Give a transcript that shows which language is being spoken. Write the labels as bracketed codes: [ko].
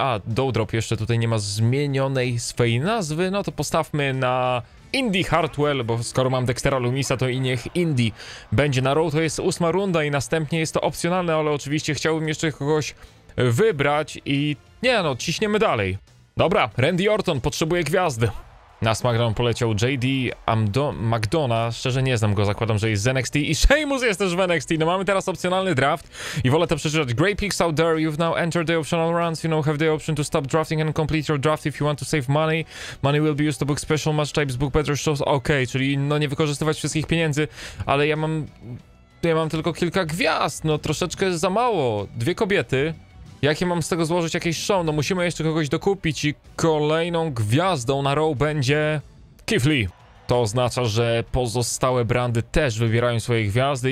[pl] A, Doudrop jeszcze tutaj nie ma zmienionej swej nazwy, no to postawmy na Indy Hartwell, bo skoro mam Dextera Lumisa, to i niech Indy będzie na Raw. To jest ósma runda i następnie jest to opcjonalne, ale oczywiście chciałbym jeszcze kogoś wybrać i nie no, ciśniemy dalej. Dobra, Randy Orton potrzebuje gwiazdy. Na SmackDown poleciał JD McDonough, szczerze nie znam go, zakładam, że jest z NXT i Sheamus jest też w NXT. No mamy teraz opcjonalny draft i wolę to przeczytać. [en] Grey Pigs out there, you've now entered the optional rounds, you now have the option to stop drafting and complete your draft if you want to save money. Money will be used to book special match types, book better shows. [pl] Okej, czyli no nie wykorzystywać wszystkich pieniędzy, ale ja mam tylko kilka gwiazd, no troszeczkę za mało, dwie kobiety. Jakie mam z tego złożyć jakieś show? No musimy jeszcze kogoś dokupić i kolejną gwiazdą na Raw będzie Keith Lee. To oznacza, że pozostałe brandy też wybierają swoje gwiazdy.